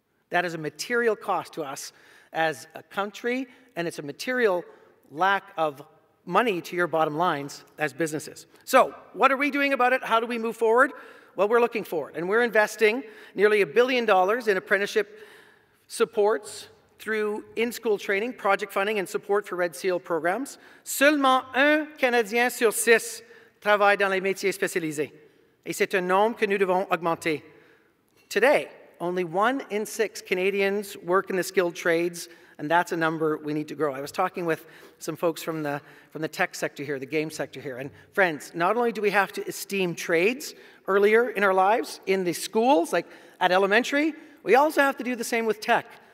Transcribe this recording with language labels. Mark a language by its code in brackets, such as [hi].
[en] That is a material cost to us as a country, and it's a material lack of money to your bottom lines as businesses. So, what are we doing about it? How do we move forward? Well, we're looking forward, and we're investing nearly $1 billion in apprenticeship supports through in-school training, project funding, and support for Red Seal programs. [fr] Seulement un Canadien sur six travaille dans les métiers spécialisés. Et c'est un nombre que nous devons augmenter. [en] Today, only 1 in 6 Canadians work in the skilled trades, and that's a number we need to grow. I was talking with some folks from the tech sector here, the game sector here, and friends, not only do we have to esteem trades earlier in our lives, in the schools, like at elementary, we also have to do the same with tech.